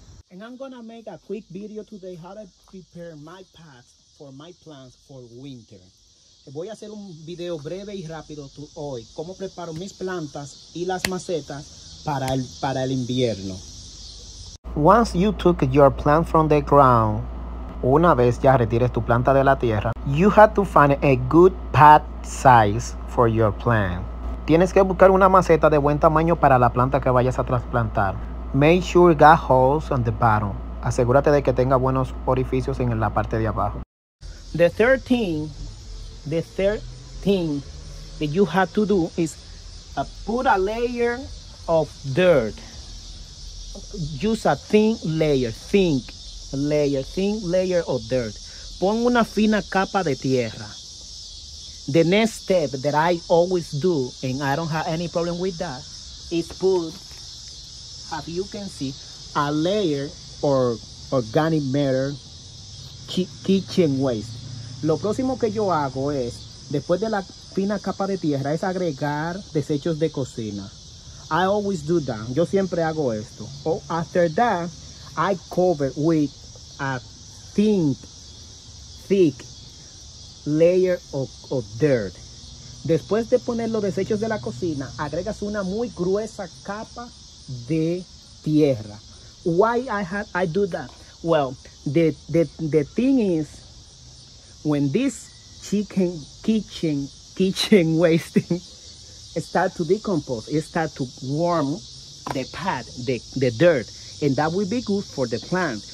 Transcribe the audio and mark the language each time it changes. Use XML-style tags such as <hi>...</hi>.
<en>And I'm gonna make a quick video today how to prepare my pots for my plants for winter.</en> <es>Voy a hacer un video breve y rápido hoy. Cómo preparo mis plantas y las macetas para el invierno.</es> <en>Once you took your plant from the ground,</en> <es>una vez ya retires tu planta de la tierra,</es> <en>you have to find a good pot size for your plant.</en> <es>Tienes que buscar una maceta de buen tamaño para la planta que vayas a trasplantar.</es> <en>Make sure it got holes on the bottom.</en> <es>Asegúrate de que tenga buenos orificios en la parte de abajo.</es> <en>The third thing that you have to do is put a layer of dirt. Use a thin layer of dirt.</en> <es>Pon una fina capa de tierra.</es> <en>The next step that I always do, and I don't have any problem with that, is put, as you can see, a layer of organic matter, kitchen waste.</en> <es>Lo próximo que yo hago es, después de la fina capa de tierra, es agregar desechos de cocina.</es> <en>I always do that.</en> <es>Yo siempre hago esto.</es> <en>Oh, after that, I cover with a thick layer of dirt.</en> <es>Después de poner los desechos de la cocina, agregas una muy gruesa capa de tierra.</es> <en>Why I do that? Well, the thing is, when this kitchen wasting start to decompose, it start to warm the pad, the dirt, and that will be good for the plant.</en>